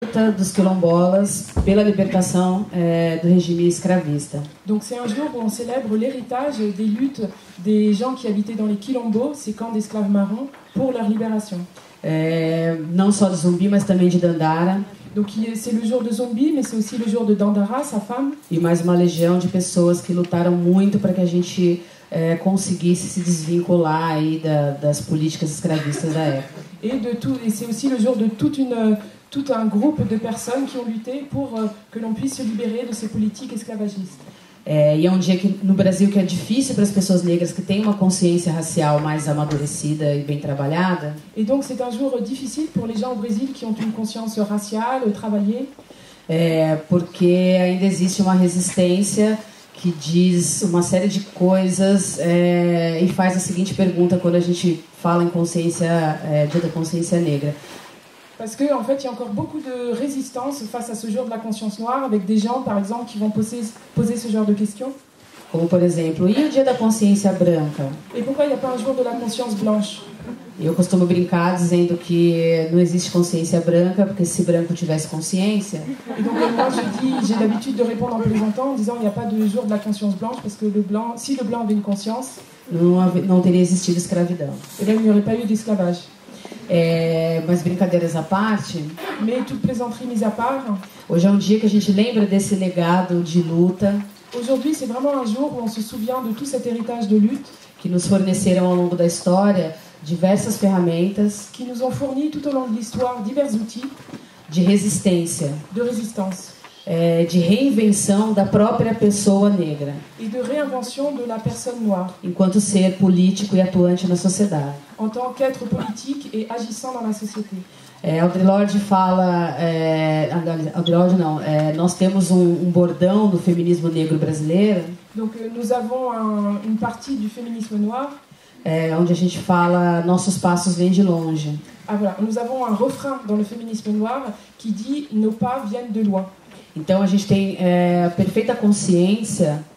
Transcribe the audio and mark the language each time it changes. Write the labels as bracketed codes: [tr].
[pt] luta dos quilombolas pela libertação do regime escravista. [fr] Donc c'est un jour où on célèbre l'héritage des luttes des gens qui habitaient dans les quilombos, ces camps d'esclaves marrons, pour leur libération. [pt] Não só de Zumbi, mas também de Dandara. [fr] Donc c'est le jour de Zumbi, mais c'est aussi le jour de Dandara, sa femme. [pt] E mais uma legião de pessoas que lutaram muito para que a gente conseguisse se desvincular aí das políticas escravistas da época. [fr] Et de tout, et c'est aussi le jour de tout un groupe de personnes qui ont lutté pour que l'on puisse se libérer de ces politiques esclavagistes. Et un jour [pt] que no Brasil que é difícil para as pessoas negras que têm uma consciência racial mais amadurecida e bem trabalhada. [fr] Et donc c'est un jour difficile pour les gens au Brésil qui ont une conscience raciale travaillée. [pt] Porque ainda existe uma resistência que diz uma série de coisas e faz a seguinte pergunta quando a gente fala em consciência da consciência negra. [fr] Parce que en fait, il y a encore beaucoup de résistance face à ce jour de la conscience noire avec des gens par exemple qui vont poser ce genre de questions. Comme par exemple, [pt] e o dia da consciência branca? [fr] Et pourquoi il n'y a pas un jour de la conscience blanche? [pt] Eu costumo brincar dizendo que não existe consciência branca, porque se branco tivesse consciência. [fr] Et donc moi je dis, j'ai l'habitude de répondre en plaisantant en disant il n'y a pas de jour de la conscience blanche parce que si le blanc avait une conscience, [pt] não teria existido escravidão. [fr] Et bien, il n'y aurait pas eu d'esclavage. [pt] Mas brincadeiras à parte, [fr] mais toute plaisanterie mise à part, [pt] hoje é um dia que a gente lembra desse legado de luta. [fr] Aujourd'hui, c'est vraiment un jour où on se souvient de tout cet héritage de lutte [pt] que nos forneceram ao longo da história diversas ferramentas, [fr] qui nous ont fourni tout au long de l'histoire divers outils [pt] de resistência, [fr] de résistance, [pt] de reinvenção da própria pessoa negra, [fr] et de réinvention de la personne noire, [pt] enquanto ser político e atuante na sociedade. [fr] En tant qu'être politique et agissant dans la société. [pt] Audre Lorde fala, Audre Lorde não, nós temos um bordão do feminismo negro brasileiro. [fr] Donc nous avons une partie du féminisme noir. [pt] Onde a gente fala, nossos passos vêm de longe. [fr] Ah voilà, nous avons un refrain dans le féminisme noir qui dit nos pas viennent de loin. [pt] Então a gente tem perfeita consciência.